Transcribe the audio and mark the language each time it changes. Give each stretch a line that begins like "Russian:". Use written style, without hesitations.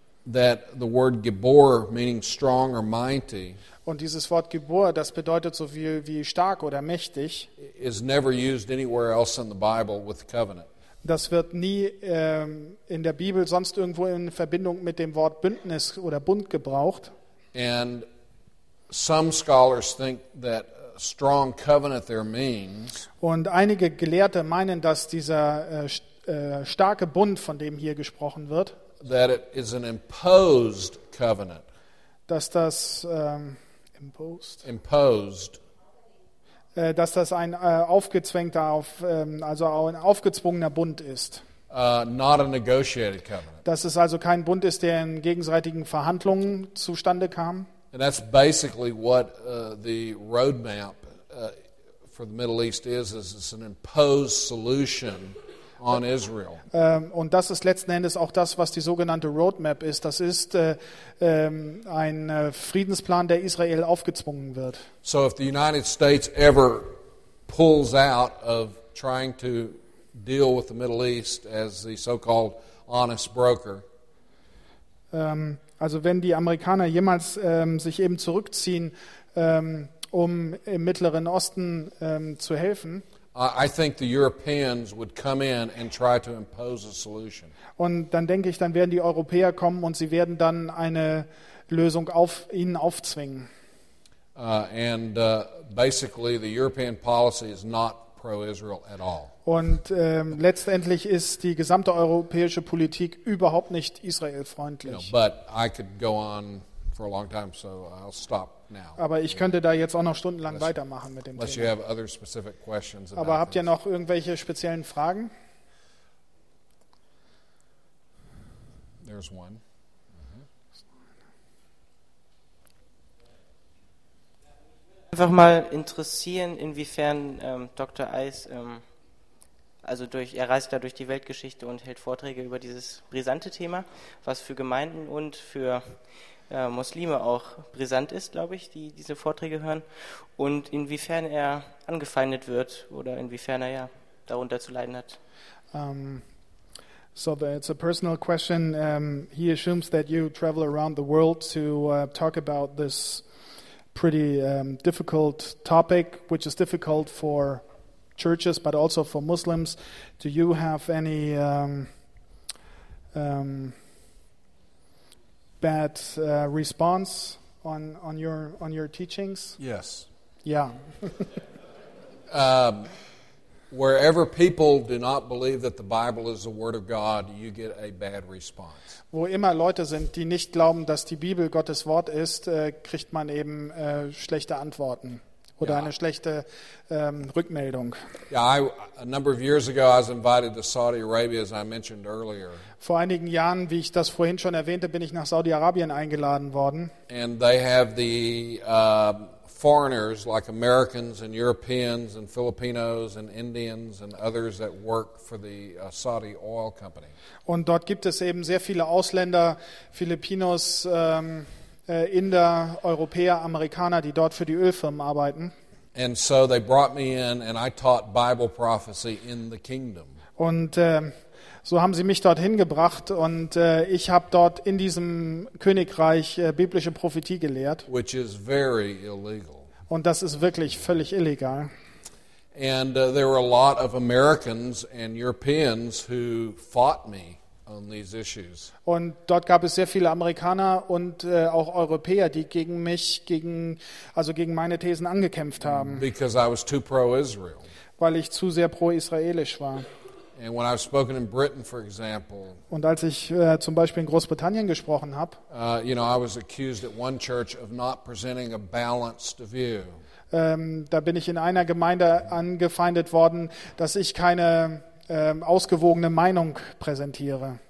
English: That the word Gibor meaning strong or mighty.
German: Und dieses Wort Gibor, das bedeutet so viel wie stark oder mächtig.
English: Is never used anywhere else in the Bible with covenant.
German: Das wird nie in der Bibel sonst irgendwo in Verbindung mit dem Wort Bündnis oder Bund gebraucht.
English: And some scholars think that strong covenant there means.
German: Und einige Gelehrte meinen, dass dieser starke Bund, von dem hier gesprochen wird,
English: that it is an imposed covenant.
German: Dass das imposed.
English: Imposed.
German: Dass das ein aufgezwängter, also ein aufgezwungener Bund ist.
English: Not a negotiated covenant.
German: Dass es also kein Bund ist, der in gegenseitigen Verhandlungen zustande kam.
English: And that's basically what the roadmap for the Middle East is it's an imposed solution on Israel.
German: Und das ist letzten Endes auch das, was die sogenannte Roadmap ist. Das ist ein Friedensplan, der Israel aufgezwungen wird.
English: So if the United States ever pulls out of trying to deal with the Middle East as the so-called honest broker.
German: Also wenn die Amerikaner jemals sich eben zurückziehen, um im Mittleren Osten zu helfen.
English: I think the Europeans would come in and try to impose a solution.
German: Und dann denke ich, dann werden die Europäer kommen und sie werden dann eine Lösung ihnen aufzwingen.
English: Basically the European policy is not pro-Israel at all.
German: Und letztendlich ist die gesamte europäische Politik überhaupt nicht israelfreundlich.
English: But I could go on for a long time, so I'll stop now.
German: Aber ich könnte da jetzt auch noch stundenlang weitermachen mit dem Thema.
English: Unless you have other specific questions.
German: Aber habt ihr noch irgendwelche speziellen Fragen?
English: There's one.
German: Einfach mal interessieren, inwiefern Dr. Eis, also durch, er reist da durch die Weltgeschichte und hält Vorträge über dieses brisante Thema, was für Gemeinden und für Muslime auch brisant ist, glaube ich, die diese Vorträge hören, und inwiefern er angefeindet wird oder inwiefern er ja darunter zu leiden hat.
English: So it's a personal question. He assumes that you travel around the world to talk about this pretty difficult topic, which is difficult for churches, but also for Muslims. Do you have any bad response on your teachings? Yes. Yeah. Wherever people do not believe that the Bible is the Word of God, you get a bad response.
German: Wo immer Leute sind, die nicht glauben, dass die Bibel Gottes Wort ist, kriegt man eben schlechte Antworten oder eine schlechte Rückmeldung.
English: A number of years ago I was invited to Saudi Arabia, as I mentioned earlier.
German: Vor einigen Jahren, wie ich das vorhin schon erwähnte, bin ich nach Saudi-Arabien eingeladen worden.
English: And they have the foreigners like Americans and Europeans and Filipinos and Indians and others that work for the Saudi oil company.
German: Und dort gibt es eben sehr viele Ausländer, Filipinos, Inder, Europäer, Amerikaner, die dort für die Ölfirmen arbeiten.
English: And so they brought me in and I taught Bible prophecy in the kingdom.
German: Und so haben sie mich dorthin gebracht und ich habe dort in diesem Königreich biblische Prophetie gelehrt.
English: Which is very illegal.
German: Und das ist wirklich völlig illegal.
English: And there were a lot of Americans and Europeans who fought me on these issues.
German: Und dort gab es sehr viele Amerikaner und auch Europäer, die gegen mich, gegen meine Thesen angekämpft haben.
English: Because I was too pro-Israel.
German: Weil ich zu sehr pro-israelisch war.
English: And when I've spoken in Britain, for example,
German: und als ich zum Beispiel in Großbritannien gesprochen habe,
English: I was accused at one church of not presenting a balanced view.
German: Da bin ich in einer Gemeinde angefeindet worden, dass ich keine ausgewogene Meinung präsentiere.